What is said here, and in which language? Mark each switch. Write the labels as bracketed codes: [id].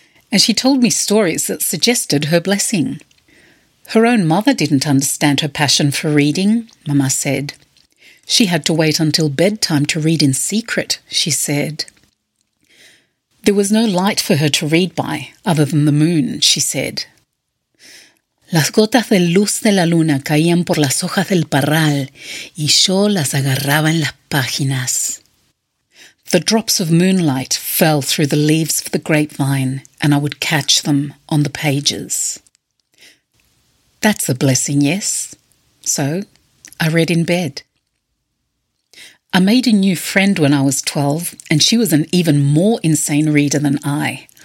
[en] And she told me stories that suggested her blessing. Her own mother didn't understand her passion for reading, Mama said. She had to wait until bedtime to read in secret, she said. There was no light for her to read by, other than the moon, she said. [es] Las gotas de luz de la luna caían por las hojas del parral y yo las agarraba en las páginas. [en] The drops of moonlight fell through the leaves of the grapevine and I would catch them on the pages. That's a blessing, yes. So, I read in bed. I made a new friend when I was 12, and she was an even more insane reader than I.